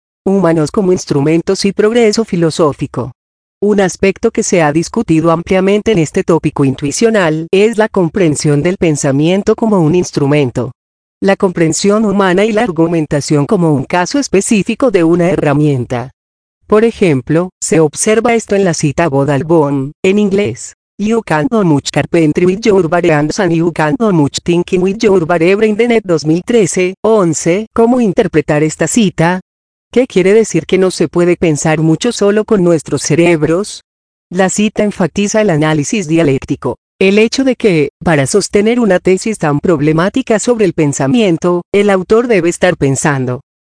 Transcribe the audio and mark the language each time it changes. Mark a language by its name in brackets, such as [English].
[Spanish] Humanos como instrumentos y progreso filosófico. Un aspecto que se ha discutido ampliamente en este tópico intuicional es la comprensión del pensamiento como un instrumento. La comprensión humana y la argumentación como un caso específico de una herramienta. Por ejemplo, se observa esto en la cita Bodalbón, en inglés. [English] You can do much carpentry with your bare hands and you can do much thinking with your bare brain. [Spanish] The Net 2013-11. ¿Cómo interpretar esta cita? ¿Qué quiere decir que no se puede pensar mucho solo con nuestros cerebros? La cita enfatiza el análisis dialéctico. El hecho de que, para sostener una tesis tan problemática sobre el pensamiento, el autor debe estar pensando.